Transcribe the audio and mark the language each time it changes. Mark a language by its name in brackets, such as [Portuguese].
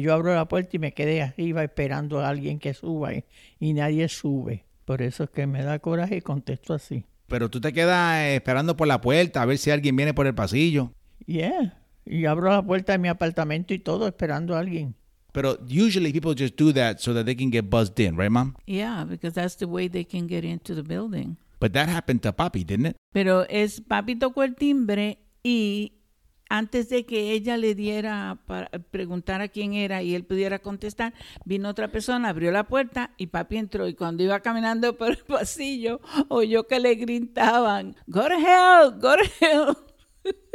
[Spanish] Yo abro la puerta y me quedé arriba esperando a alguien que suba y nadie sube. Por eso es que me da coraje y contesto así. Pero tú te quedas esperando por la puerta a ver si alguien viene por el pasillo. Yeah, y abro la puerta de mi apartamento y todo esperando a alguien. [English] Pero usually people just do that so that they can get buzzed in, right, mom? Yeah, because that's the way they can get into the building. But that happened to papi, didn't it? [Spanish] Pero es papi tocó el timbre y antes de que ella le diera para preguntar a quién era y él pudiera contestar, vino otra persona, abrió la puerta y papi entró. Y cuando iba caminando por el pasillo, oyó que le gritaban, [English] go to hell, go to hell.